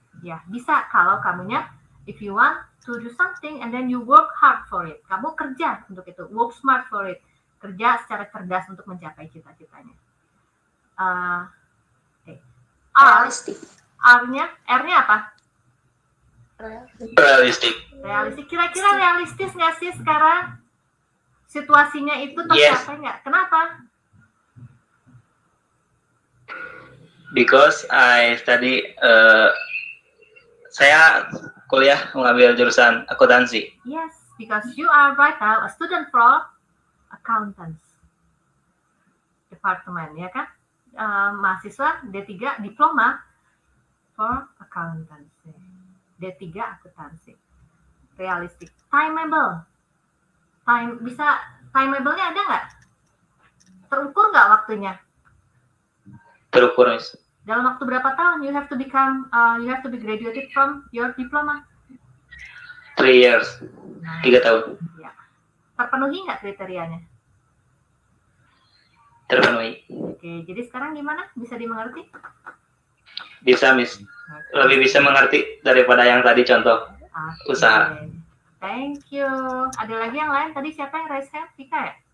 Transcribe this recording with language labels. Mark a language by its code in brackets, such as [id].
[id] Ya, bisa kalau kamunya, [en] if you want to do something and then you work hard for it. [id] Kamu kerja untuk itu, [en] work smart for it. [id] Kerja secara cerdas untuk mencapai cita-citanya. R-nya apa? Realistik. Realistik. Kira-kira realistis nggak sih sekarang situasinya itu tercapai nggak? [en] Yes. [id] Kenapa? [en] Because I study, [id] saya kuliah mengambil jurusan akuntansi. [en] Yes. because you are right now a student from accountants department, [id] ya kan? Mahasiswa [en] D3 diploma for accountancy. [id] D3 akuntansi. [en] Realistic. Timeable. [id] Timeable-nya ada nggak? Terukur nggak waktunya? Terukur, Miss. Dalam waktu berapa tahun [en] you have to become you have to be graduated from your diploma? 3 years. [id] Nah, 3 tahun. Ya. Terpenuhi nggak kriterianya? Terpenuhi. Oke, jadi sekarang gimana? Bisa dimengerti? Bisa, Miss. Lebih bisa mengerti daripada yang tadi contoh. Okay. Usaha. [en] Thank you. [id] Ada lagi yang lain? Tadi siapa yang [en] raise hand? [id] Vika ya?